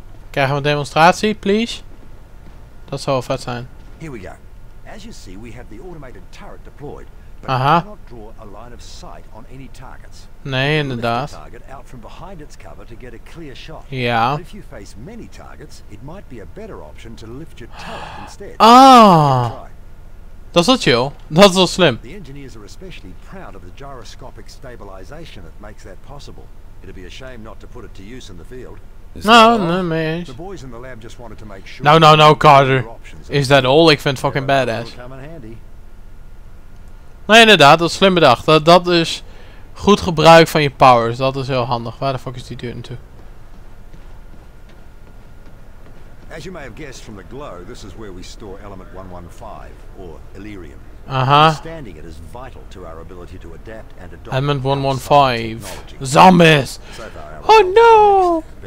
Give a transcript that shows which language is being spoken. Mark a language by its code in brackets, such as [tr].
[nl] Krijgen we een demonstratie, please? Dat zou wel vet zijn. [en] Here we go. As you see, we have the automated turret deployed, but we cannot draw a line of sight on any targets. [nl] Nee, inderdaad. [en] The target out from behind its cover to get a clear shot. [nl] Ja. [en] If you face many targets, it might be a better option to lift your turret instead. [nl] Ah. Dat is wel chill. Dat is wel slim. [en] The engineers are especially proud of the gyroscopic stabilization that makes that possible. It'd be a shame not to put it to use in the field. No, Carter. Is that all? [nl] Ik vind het fucking badass. Nee, inderdaad, dat is slim bedacht. Dat is goed gebruik van je powers. Dat is heel handig. Waar de fuck is die deur naartoe? [en] As you may have guessed from the glow, this is where we store element 115, or Illyrium. Understanding it is vital to our ability to adapt and adopt. Element 115. Zombies! Oh no!